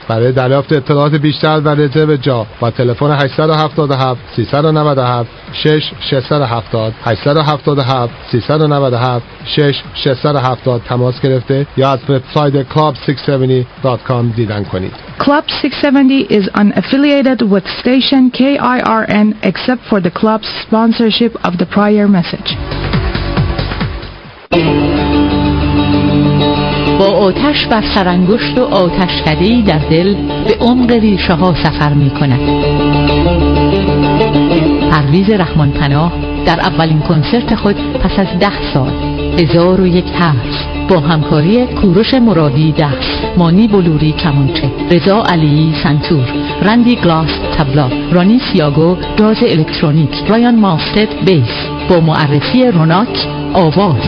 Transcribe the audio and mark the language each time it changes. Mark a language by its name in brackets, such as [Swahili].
[Persian] برای دریافت اطلاعات بیشتر و رزرو جا با تلفن 877-397-6670 تماس گرفته یا از وبسایت club670.com دیدن کنید. [English] Club 670 is unaffiliated with station KIRN except for the club's sponsorship of the prior message. [Persian] با آتش و سرانگشت و آتشکده‌ای در دل به عمق ریشه‌ها سفر می‌کند. پرویز رحمان پناه در اولین کنسرت خود پس از 10 سال، 1001 ترس، با همکاری کوروش مرادی دست، مانی بلوری کمانچه، رضا علیی سنتور، رندی گلاس تبلا، رانی سیاگو داز الکترونیک، رایان ماستد بیس، با معرفی روناک آواز.